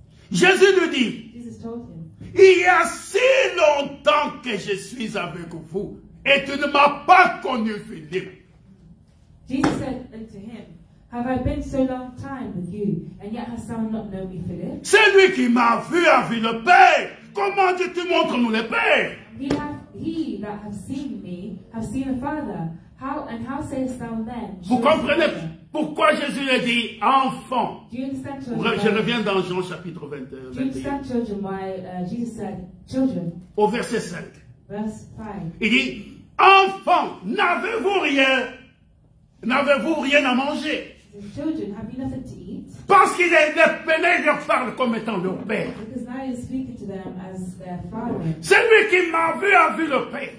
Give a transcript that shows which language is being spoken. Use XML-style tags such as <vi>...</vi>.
<fr>Jésus lui dit, il y a si longtemps que je suis avec vous et tu ne m'as pas connu, Philippe.</fr> <en>Jesus said unto him, have I been so long time with you, and yet hast thou not known me, Philip?</en> <fr>C'est lui qui m'a vu a vu le Père. Comment dis-tu montre-nous le Père?</fr> <en>He that have seen me have seen the Father. How sayest thou then?</en> <fr>Vous comprenez pourquoi Jésus le dit, enfant?</fr> <en>Do you understand, children?</en> <fr>Je reviens dans Jean chapitre 21.</fr> <en>Do you understand, children, why Jesus said, children?</en> <fr>Au verset 5.</fr> <en>Verse 5.</en> <fr>Il dit, enfant, n'avez-vous rien? N'avez-vous rien à manger?</fr> <en>Children, have you nothing to eat?</en> <fr>Parce qu'il est peiné, il leur parle comme étant leur père.</fr> <en>Because now he's speaking to them as their father.</en> <fr>C'est lui qui m'a vu a vu le père.</fr>